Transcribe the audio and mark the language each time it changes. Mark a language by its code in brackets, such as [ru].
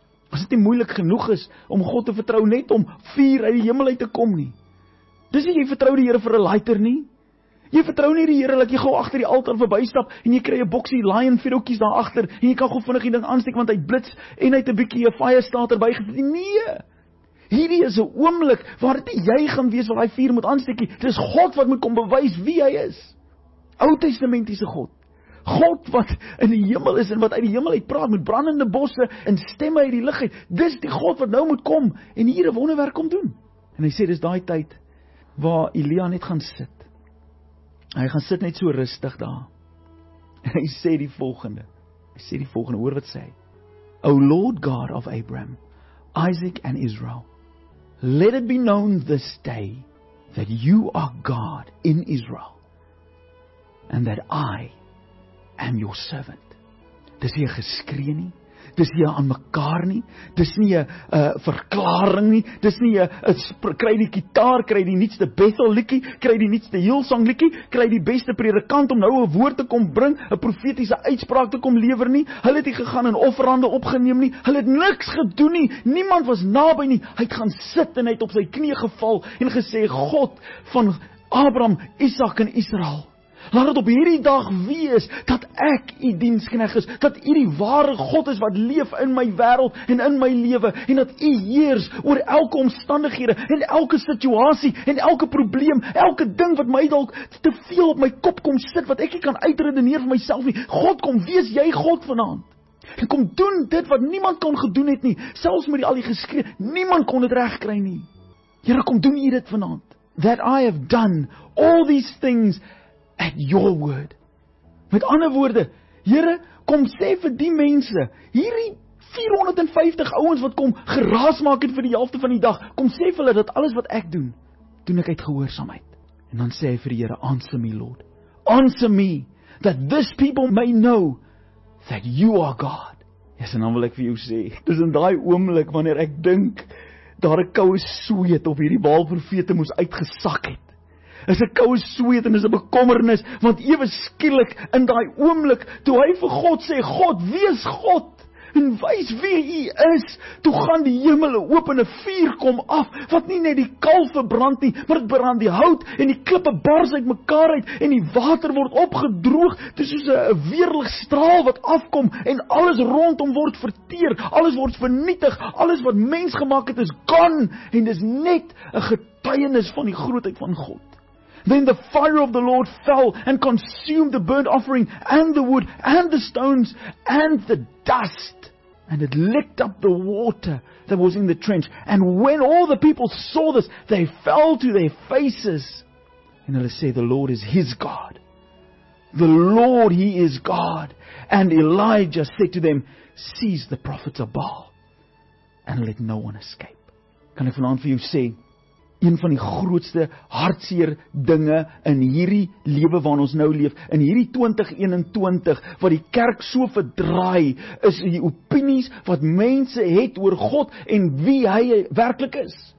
[af] As dit nie moeilik genoeg is om God te vertrou, net om vuur uit die hemel uit te kom nie, Dis nie jy vertrou die Here vir 'n lighter nie. Jy vertrou nie die Here dat jy gou agter die altaar verbystap en jy kry 'n boksie Lion vuurhoutjies daar agter en jy kan gou vinnig die ding aansteek want hy blits en hy het 'n bietjie 'n fire starter bygevoeg. Nee. Hierdie is 'n oomblik waar dit nie jy gaan wees wat hy vuur moet aansteek nie. Dis God wat moet kom bewys wie hy is. Ou Testamentiese God. God wat in die hemel is en wat uit die hemel uit praat met brandende bosse en stemme uit die lug uit. Dis die God wat nou moet kom en hier 'n wonderwerk kom doen. En hy sê dis daai tyd waar Elia net gaan sit. Hy gaan sit net so rustig daar. En hy sê die volgende. Hy sê die volgende, hoor wat sê hy. [en] O Lord God of Abraham, Isaac and Israel, let it be known this day that you are God in Israel and that I am your servant. [af] Dis nie 'n geskree nie. Dis nie aan mekaar nie. Dis nie 'n verklaring nie. Dis nie 'n kry die kitaar, kry die nuutste Bethel liedjie, kry die nuutste Hillsong liedjie, kry die beste predikant om nou 'n woord te kom bring, 'n profetiese uitspraak te kom lewer nie. Hulle het nie gegaan en offerande opgeneem nie. Hulle het niks gedoen nie. Niemand was naby nie. Hy het gaan sit en hy het op sy knie geval en gesê: God van Abraham, Isak en Israel, laat het op hierdie dag wees, dat ek die dienskneg is, dat u die ware God is wat leef in my wêreld en in my lewe, en dat u heers oor elke omstandighede en elke situasie en elke probleem, elke ding wat my dalk te veel op my kop kom sit, wat ek nie kan uitredeneer vir myself nie. God, kom wees jy God vanaand. En kom doen dit wat niemand kon gedoen het nie, selfs met al die geskree, niemand kon dit reg kry nie. Here, kom doen u dit vanaand. [en] That I have done all these things at your word. [af] Met ander woorde, Here, kom sê vir die mense, hierdie 450 ouens wat kom geraas maak het vir die helfte van die dag, kom sê vir hulle dat alles wat ek doen, doen ek uit gehoorsaamheid. En dan sê hy vir die Here, [en] answer me, Lord. Answer me, that this people may know that you are God. [af] Yes, en dan wil ek vir jou sê, dis in daai oomblik wanneer ek dink daar 'n koue sweet op hierdie Baal profete moes uitgesak het. Is 'n koue sweet en is 'n bekommernis, want ewe skielik in daai oomblik toe hy vir God sê, God, wees God en wys wie u is, toe gaan die hemele oop en 'n vuur kom af wat nie net die kalf verbrand nie, maar dit brand die hout en die klippe bars uit mekaar uit en die water word opgedroog, dit is soos 'n weerlig straal wat afkom en alles rondom word verteer, alles word vernietig, alles wat mens gemaak het is kan en dis net 'n getuienis van die grootheid van God. [en] Then the fire of the Lord fell and consumed the burnt offering and the wood and the stones and the dust. And it licked up the water that was in the trench. And when all the people saw this, they fell to their faces. And they say, the Lord is his God. The Lord, he is God. And Elijah said to them, seize the prophets of Baal and let no one escape. [af] Kan ek vanaand vir jou sê, een van die grootste hartseer dinge in hierdie lewe waarin ons nou leef, in hierdie 2021, wat die kerk so verdraai, is die opinies wat mense het oor God en wie hy werklik is.